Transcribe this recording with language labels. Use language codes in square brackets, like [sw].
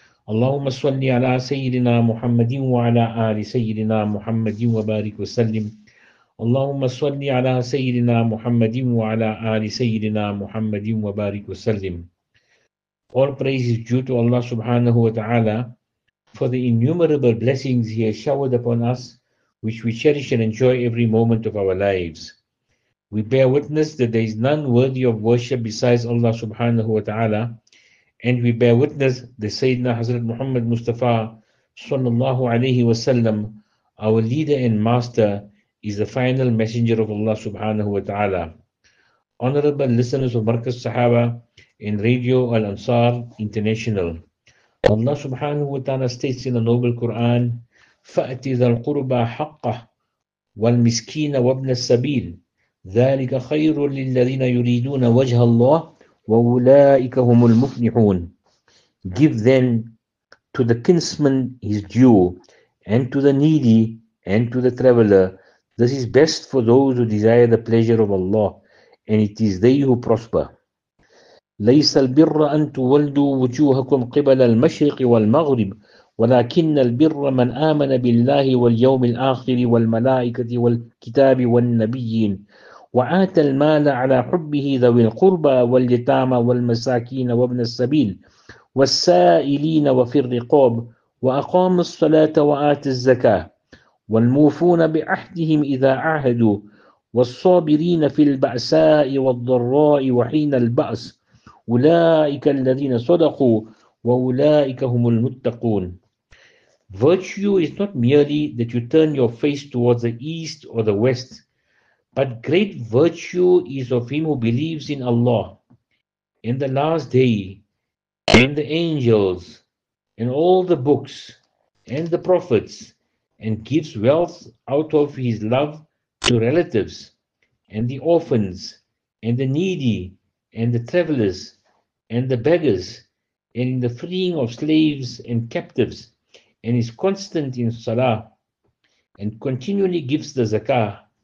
[ar] اللهم صل على سيدنا محمد وعلى آل سيدنا محمد وبارك وسلم اللهم صل على سيدنا محمد وعلى آل سيدنا محمد وبارك وسلم [en] All praise is due to Allah subhanahu wa ta'ala for the innumerable blessings He has showered upon us which we cherish and enjoy every moment of our lives. We bear witness that there is none worthy of worship besides Allah subhanahu wa ta'ala. And we bear witness that Sayyidina Hazrat Muhammad Mustafa sallallahu alayhi wa sallam, our leader and master, is the final messenger of Allah subhanahu wa ta'ala. Honorable listeners of Markaz Sahaba and Radio Al-Ansar International, Allah subhanahu wa ta'ala states in the Noble Quran, [ar] فَأْتِ ذَا الْقُرْبَى حَقَّهُ وَالْمِسْكِينَ وَابْنَ السَّبِيلِ ذلك خير للذين يريدون وجه الله وأولئك هم المفلحون. [en] Give then to the kinsman his due, and to the needy, and to the traveller. This is best for those who desire the pleasure of Allah, and it is they who prosper. [ar] ليس البر أن تولدوا وجوهكم قبل المشرق والمغرب ولكن البر من آمن بالله واليوم الآخر والملائكة والكتاب والنبيين وآت المال على حبه ذوي القربى واليتامى والمساكين وابن السبيل والسائلين وفي الرقاب وأقام الصلاة وآت الزكاة والموفون بعهدهم إذا عاهدوا والصابرين في البأساء والضراء وحين البأس أولئك الذين صدقوا وأولئك هم المتقون. [en] Virtue is not merely that you turn your face towards the east or the west, but great virtue is of him who believes in Allah, in the last day, in the angels, in all the books, and the prophets, and gives wealth out of his love to relatives, and the orphans, and the needy, and the travelers, and the beggars, and in the freeing of slaves and captives, and is constant in salah, and continually gives the zakah.